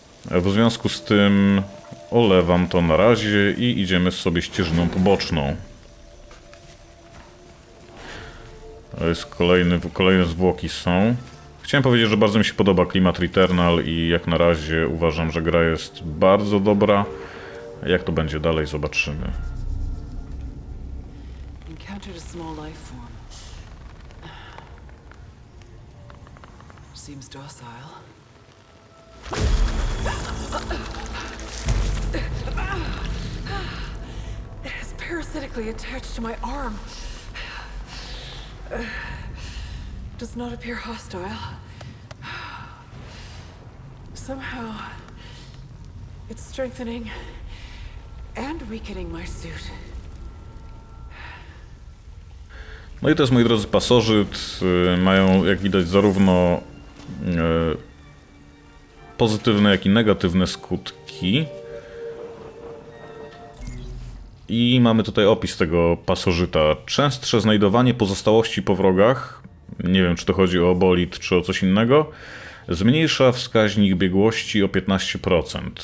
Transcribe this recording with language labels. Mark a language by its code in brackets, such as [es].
[pl] W związku z tym olewam to na razie i idziemy sobie ścieżką poboczną. To jest kolejne zwłoki są. Chciałem powiedzieć, że bardzo mi się podoba klimat Returnal i jak na razie uważam, że gra jest bardzo dobra. Jak to będzie dalej, zobaczymy. [en] Encountered a small life form. Seems docile. It's parasitically attached to my arm. Does not appear hostile. Somehow, it's strengthening and weakening my suit. [pl] No i teraz, moi drodzy, pasożyt mają, jak widać, zarówno pozytywne, jak i negatywne skutki. I mamy tutaj opis tego pasożyta. Częstsze znajdowanie pozostałości po wrogach, nie wiem, czy to chodzi o bolid, czy o coś innego, zmniejsza wskaźnik biegłości o 15%.